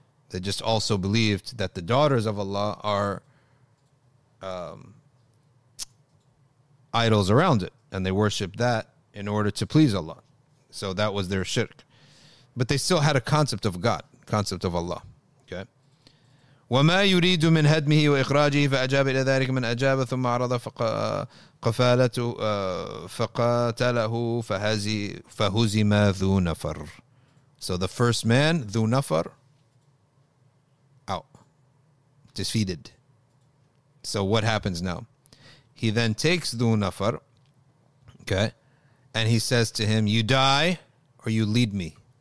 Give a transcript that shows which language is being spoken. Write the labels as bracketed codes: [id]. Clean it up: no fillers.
[en] They just also believed that the daughters of Allah are idols around it, and they worship that in order to please Allah. So that was their shirk. But they still had a concept of God, concept of Allah. [ar] وما يريد من هدمه وإخراجه فأجاب إلى ذلك من أجاب ثم عرض فقفالته فقاتله فهزم ذو نفر. [en] So the first man, ذو نفر, out, defeated. So what happens now? He then takes ذو نفر, okay, and he says to him, you die or you lead me.